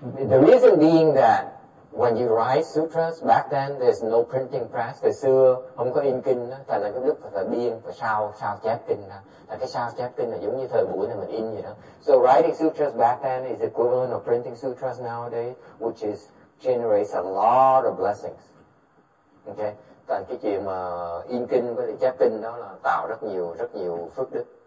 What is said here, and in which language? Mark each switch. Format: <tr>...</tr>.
<en>The reason being that when you write sutras back then, there's no printing press.</en> <vi>Thời xưa không có in kinh, thành là cái lúc là biên và sao chép kinh. Là cái sao chép kinh là giống như thời buổi này mình in vậy đó.</vi> <en>So writing sutras back then is equivalent of printing sutras nowadays, which is generates a lot of blessings. Okay.</en> <vi>Tại cái chuyện mà in kinh với lại chép kinh đó là tạo rất nhiều phước đức.</vi>